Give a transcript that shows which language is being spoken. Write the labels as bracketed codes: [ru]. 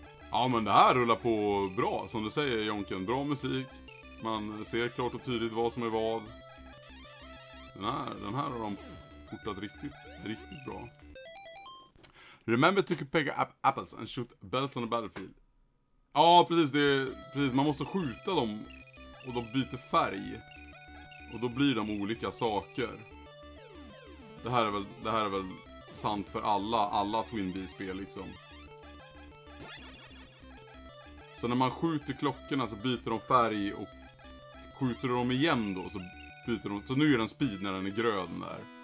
[sv] Ja, men det här rullar på bra, som du säger, Jonken. Bra musik. Man ser klart och tydligt vad som är vad. Den här har de portat riktigt, riktigt bra. [en] Remember to pick up apples and shoot bells on the battlefield. [sv] Ja, precis. Det är, precis. Man måste skjuta dem och de byter färg. Och då blir de olika saker. Det här är väl sant för alla Twin B-spel, liksom. Så när man skjuter klockorna så byter de färg och skjuter de igen då så byter de. Så nu är den speed när den är grön där.